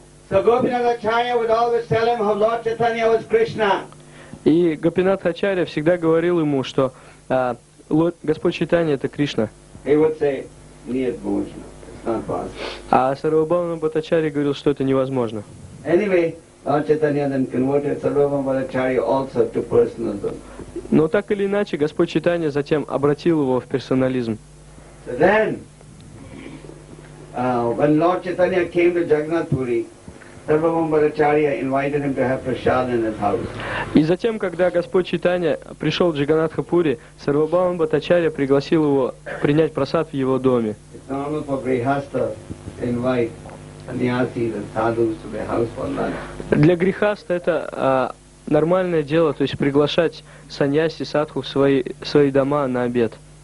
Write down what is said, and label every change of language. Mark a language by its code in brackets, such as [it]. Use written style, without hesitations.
[en] So Gopinath Acharya would always tell him how Lord Chaitanya was Krishna. [ru] И Гопинат Ачарья всегда говорил ему, что Господь Чайтанья — это Кришна. [en] He would say, [ru] "Нет, Божья, [en] it's not possible." [ru] А Сарвабхаума Бхаттачарья говорил, что это невозможно. [en] Anyway, Lord Chaitanya then converted Sarvabhauma Bhattacharya also to personalism. [ru] Но так или иначе Господь Чайтанья затем обратил его в персонализм. [en] So then, when Lord Chaitanya came to Jagannath Puri, Sarvabhauma Bhattacharya invited him to have prasad in his house. [ru] И затем, когда Господь Чайтанья пришел в Джаганатхапури, Сарвабхаума Бхаттачарья пригласил его принять прасад в его доме. [en] It's normal for grihastha to invite sannyasis and sadhus to their house for lunch. [ru] Для грихаста это нормальное дело, то есть приглашать саньяси, садху в свои дома на обед.